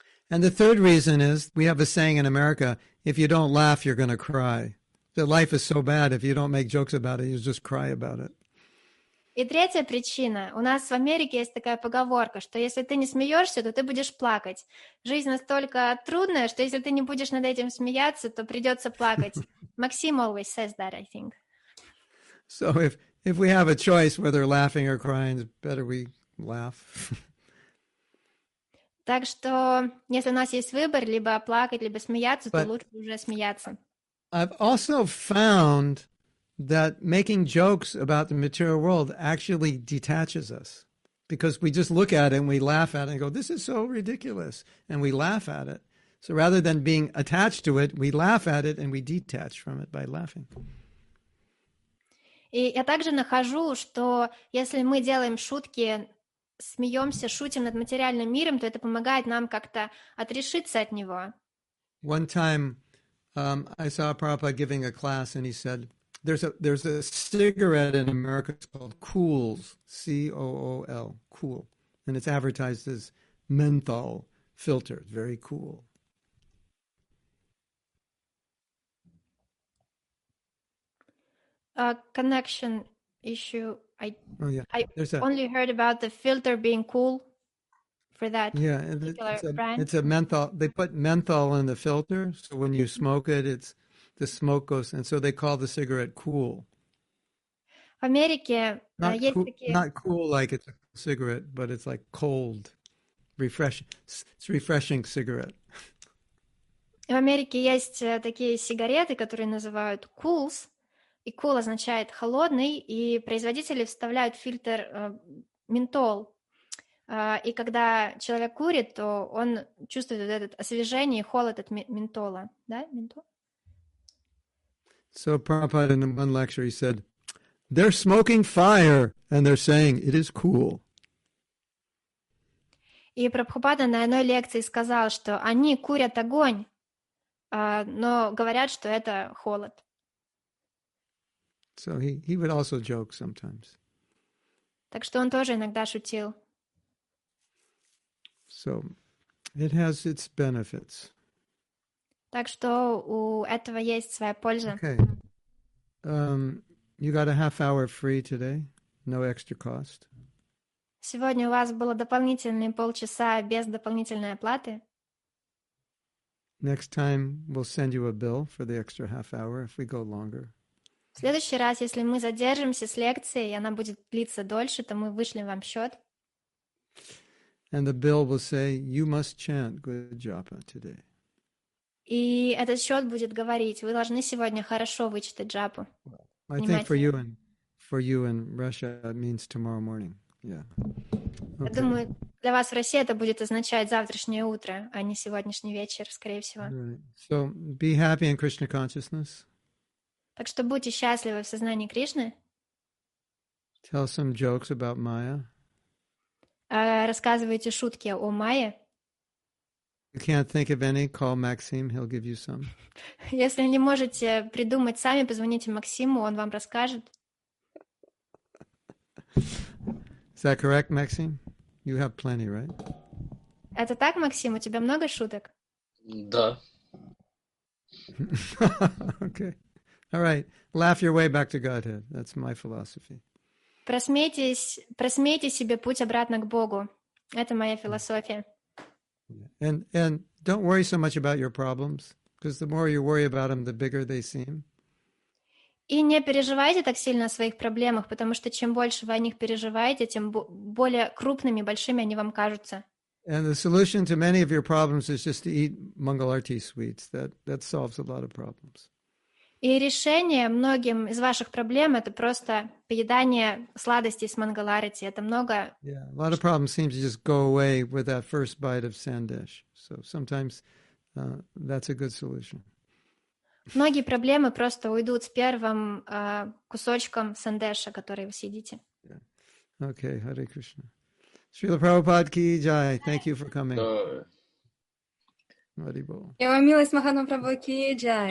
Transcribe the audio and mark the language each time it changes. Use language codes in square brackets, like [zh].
[en] And the third reason is, we have a saying in America, if you don't laugh, you're going to cry. The life is so bad, if you don't make jokes about it, you just cry about it. [ru] И третья причина. У нас в Америке есть такая поговорка, что если ты не смеешься, то ты будешь плакать. Жизнь настолько трудная, что если ты не будешь над этим смеяться, то придется плакать. [en] Максим always says that, I think. So if we have a choice whether laughing or crying, better we laugh. [ru] Так что, если у нас есть выбор, либо плакать, либо смеяться, то лучше уже смеяться. [en] I've also found that making jokes about the material world actually detaches us. Because we just look at it and we laugh at it and go, this is so ridiculous. And we laugh at it. So rather than being attached to it, we laugh at it and we detach from it by laughing. [ru] И я также нахожу, что если мы делаем шутки, смеемся, шутим над материальным миром, то это помогает нам как-то отрешиться от него. [en] One time I saw Prabhupada giving a class, and he said, there's a cigarette in America, it's called Kools, C-O-O-L, cool, and it's advertised as menthol filter, very cool. a connection issue. There's only heard about the filter being cool for that. Yeah, particular brand. It's a menthol. They put menthol in the filter, so when you smoke it, it's the smoke goes, and so they call the cigarette cool. [ru] В Америке есть такие. [en] Not cool like it's a cigarette, but it's like cold, refreshing. It's a refreshing cigarette. [ru] В Америке есть такие сигареты, которые называют Cools, и Cool означает холодный, и производители вставляют фильтр ментол. И когда человек курит, то он чувствует вот это освежение и холод от ментола. Да, ментол? [en] So Prabhupada in one lecture he said, they're smoking fire, and they're saying it is cool. [ru] И Прабхупада на одной лекции сказал, что они курят огонь, но говорят, что это холод. [en] So he would also joke sometimes. [ru] Так что он тоже иногда шутил. [en] So it has its benefits. [ru] Так что у этого есть своя польза. [en] Okay. You got a half hour free today, no extra cost. [ru] Сегодня у вас было дополнительные полчаса без дополнительной оплаты. [en] Next time we'll send you a bill for the extra half hour if we go longer. [ru] В следующий раз, если мы задержимся с лекцией, и она будет длиться дольше, то мы вышлем вам счет. [en] And the bill will say, you must chant good japa today. [ru] И этот счет будет говорить, вы должны сегодня хорошо вычитать джапу. [en] I think for you in Russia it means tomorrow morning. Yeah. [ru] Okay. Я думаю, для вас в России это будет означать завтрашнее утро, а не сегодняшний вечер, скорее всего. [en] Right. So be happy in Krishna consciousness. [ru] Так что будьте счастливы в сознании Кришны. [en] Tell some jokes about Maya. [ru] Рассказывайте шутки о Майе. [en] You can't think of any, call Maxim, he'll give you some. [ru] Если не можете придумать сами, позвоните Максиму, он вам расскажет. [en] Is that correct, Maxim? You have plenty, right? [ru] Это так, Максим? У тебя много шуток? Да. [en] Okay. All right. Laugh your way back to Godhead. That's my philosophy. [ru] Просмейте себе путь обратно к Богу. Это моя философия. [en] And don't worry so much about your problems, because the more you worry about them, the bigger they seem. [ru] И не переживайте так сильно о своих проблемах, потому что чем больше вы о них переживаете, тем более крупными, большими они вам кажутся. [en] And the solution to many of your problems is just to eat Mangalarti sweets. That solves a lot of problems. [ru] И решение многим из ваших проблем это просто поедание сладостей с Мангаларти. Это много. [en] Yeah, a lot of problems seem to just go away with that first bite of sandesh. So sometimes that's a good solution. [ru] Многие проблемы просто уйдут с первым кусочком сандеша, который вы съедите. [en] Yeah. Okay, Hare Krishna. Srila Prabhupada ki jai. Thank you for coming. Hare Bol. [ru] Я вам милость Махану Прабху ки джай.